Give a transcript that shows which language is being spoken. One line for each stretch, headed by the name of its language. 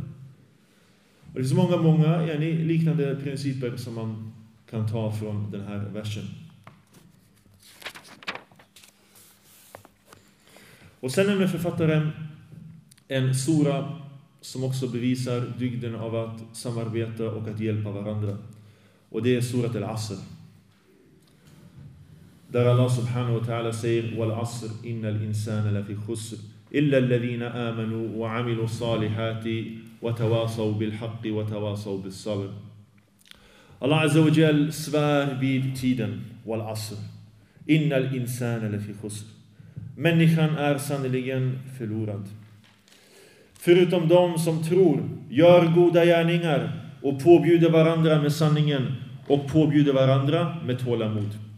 Swedish: Och det finns många, många liknande principer som man kan ta från den här versen. Och sen nämner författaren en sura som också bevisar dygden av att samarbeta och att hjälpa varandra. Och det är surat al-Asr. Där
Arabic: Allah subhanahu wa ta'ala säger: وَالْعَصْرِ إِنَّ الْإِنسَانَ لَفِي خُسْرِ إِلَّا الَّذِينَ آمَنُوا وَعَمِلُوا الصَّالِحَاتِ وَتَوَاصَوْا بِالْحَقِّ وَتَوَاصَوْا بِالصَّبْرِ. Allah azza wa jal
Swedish: svär vid tiden,
Arabic: وَالْعَصْرِ إِنَّ الْإِنسَانَ لَفِي خُسْرِ.
Swedish: Människan är sannoliken förlorad. Förutom de som tror, gör goda gärningar och påbjuder varandra med sanningen och påbjuder varandra med tålamod.